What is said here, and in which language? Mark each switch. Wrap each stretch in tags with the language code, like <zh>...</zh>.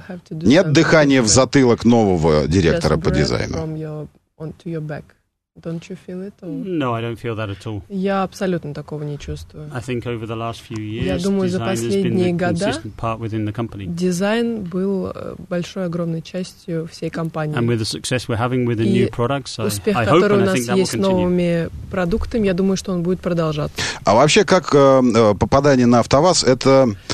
<ru>Нет дыхания в затылок нового директора по дизайну?</ru> <en>Don't you feel it? No, I don't feel that at all.</en> <ru>Я абсолютно такого не чувствую.</ru> <en>I think over the last few years,</en> <ru>я думаю, за последние годы дизайн был большой, огромной частью всей компании.</ru> <en>And with the success we're having with the new products,</en> <ru>успех,</ru> <en>I hope,</en> <ru>у нас есть новыми продуктами, я думаю, что он будет продолжаться. А вообще, как попадание на АвтоВАЗ, это...</ru>